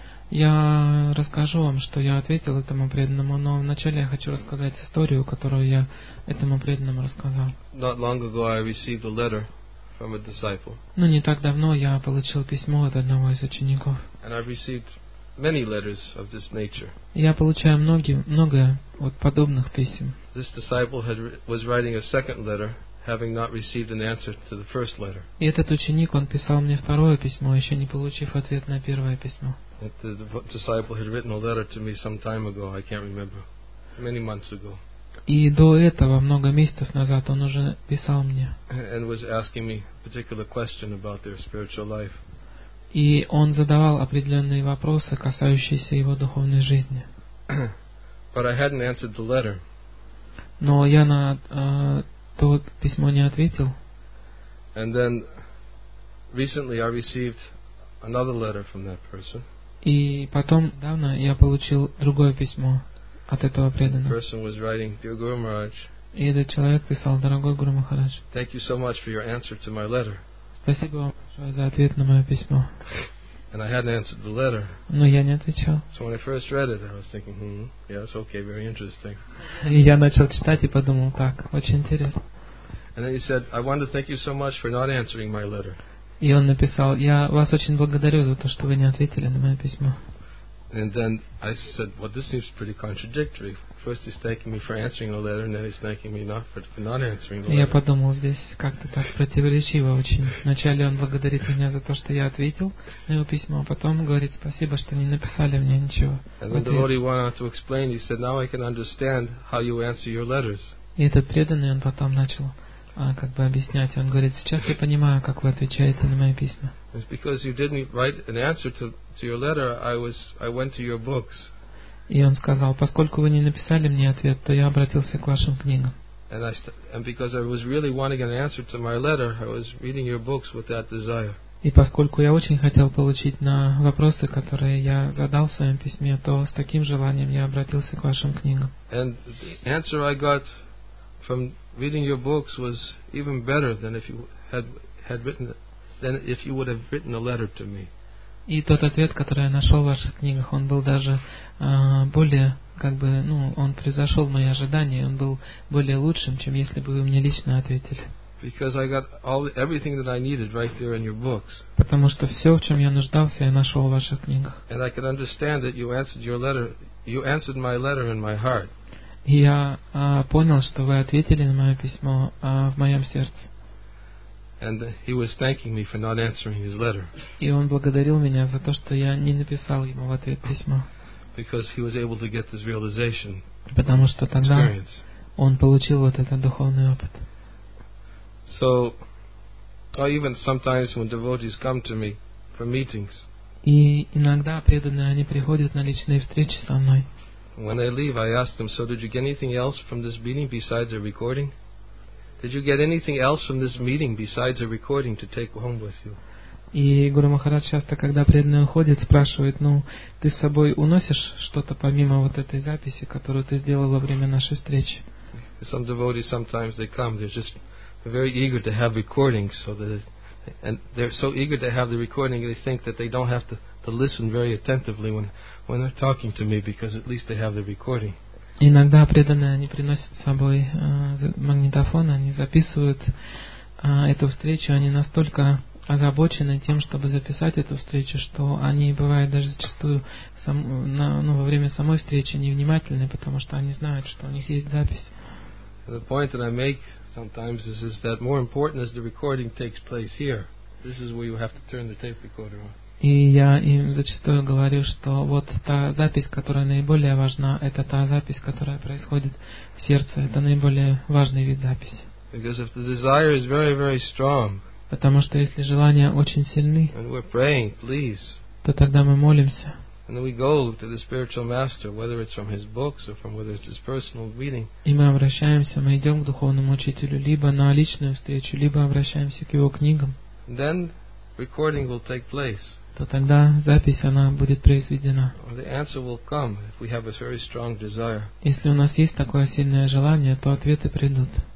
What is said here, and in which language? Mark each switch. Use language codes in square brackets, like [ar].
[ru] Я расскажу вам, что я ответил этому преданному, но вначале я хочу рассказать историю, которую я этому преданному рассказал. [en] Not long ago I received a letter from a disciple. [ru] Ну, не так давно я получил письмо от одного из учеников. [en] And I received many letters of this nature. [ru] Я получаю много вот подобных писем. [en] This disciple was writing a second letter, having not received an answer to the first letter. [ru] И этот ученик, он писал мне второе письмо, еще не получив ответ на первое письмо. [en] The disciple had written a letter to me some time ago. I can't remember. Many months ago. [ru] И до этого, много месяцев назад, он уже писал мне. [en] And was asking me a particular question about their spiritual life. [ru] И он задавал определенные вопросы, касающиеся его духовной жизни. [en] But I hadn't answered the letter. [ru] Но я на то письмо не ответил. [en] And then recently I received another letter from that person. [ru] И потом недавно я получил другое письмо от этого преданного. [en] The person was writing, "Dear Guru Maharaj." [ru] И этот человек писал: "Дорогой Гуру Махарадж." [en] Thank you so much for your answer to my letter. [ru] Спасибо вам большое за ответ на мое письмо. [en] And I hadn't answered the letter. [ru] Но я не отвечал. [en] So when I first read it, I was thinking, yes, okay, very interesting. [ru] И я начал читать и подумал: так, очень интересно. [en] And then he said, "I want to thank you so much for not answering my letter." [ru] И он написал: "Я вас очень благодарю за то, что вы не ответили на мое письмо." [en] And then I said, "Well, this seems pretty contradictory. First he's thanking me for answering the letter, and then he's thanking me not for, for not answering the letter." [ru] Я подумал, здесь как-то так противоречиво очень. Вначале он благодарит меня за то, что я ответил на его письмо, а потом говорит: "Спасибо, что не написали мне ничего." [en] And then the devotee went on to explain. He said, "Now I can understand how you answer your letters." [ru] И этот преданный, он потом начал как бы объяснять. Он говорит: "Сейчас я понимаю, как вы отвечаете на мои письма." [en] It's because you didn't write an answer to your letter. I went to your books. [ru] И он сказал: "Поскольку вы не написали мне ответ, то я обратился к вашим книгам." [en] And because I was really wanting an answer to my letter, I was reading your books with that desire. [ru] И поскольку я очень хотел получить на вопросы, которые я задал в своем письме, то с таким желанием я обратился к вашим книгам. [en] And the answer I got from reading your books was even better than if you had written it. Than if you would have written a letter to me. [ru] И тот ответ, который я нашел в ваших книгах, он был даже более, как бы, ну, он превзошел мои ожидания, он был более лучшим, чем если бы вы мне лично ответили. [en] Because I got everything that I needed right there in your books. [ru] Потому что все, в чем я нуждался, я нашел в ваших книгах. [en] And I could understand that you answered your letter, you answered my letter in my heart. [ru] И я понял, что вы ответили на мое письмо в моем сердце. [en] And he was thanking me for not answering his letter. [ru] И он благодарил меня за то, что я не написал ему в ответ письмо. [en] Because he was able to get this realization. [ru] Потому что тогда он получил вот этот духовный опыт. [en] So, or even sometimes when devotees come to me for meetings. [ru] И иногда преданные они приходят на личные встречи со мной. [en] When they leave, I ask them, "So, did you get anything else from this meeting besides a recording? Did you get anything else from this meeting besides a recording to take home with you?" [ru] И Гуру Махарадж часто, когда преданный уходит, спрашивает: "Ну, ты с собой уносишь что-то помимо вот этой записи, которую ты сделал во время нашей встречи?" [en] Some devotees sometimes they come, they're just very eager to have recordings, so that and they're so eager to have the recording, they think that they don't have to listen very attentively when they're talking to me, because at least they have the recording. [ru] Иногда преданные, они приносят с собой магнитофон, они записывают эту встречу, они настолько озабочены тем, чтобы записать эту встречу, что они, бывают даже зачастую, во время самой встречи невнимательны, потому что они знают, что у них есть запись. [en] The point that I make sometimes is that more important is the recording takes place here. This is where you have to turn the tape recorder on. [ru] И я им зачастую говорю, что вот та запись, которая наиболее важна, это та запись, которая происходит в сердце. Это наиболее важный вид записи. [en] Because if the desire is very, very strong, [ru] потому что если желания очень сильны, [en] and we're praying, please, [ru] то тогда мы молимся. [en] And we go to the spiritual master, whether it's from his books or from whether it's his personal reading. [ru] И мы обращаемся, мы идем к духовному учителю либо на личную встречу, либо обращаемся к его книгам. [en] Then recording will take place. [ru] То тогда запись, она будет произведена. [en] Or the answer will come if we have a very strong desire. [ru] Если у нас есть такое сильное желание, то ответы придут.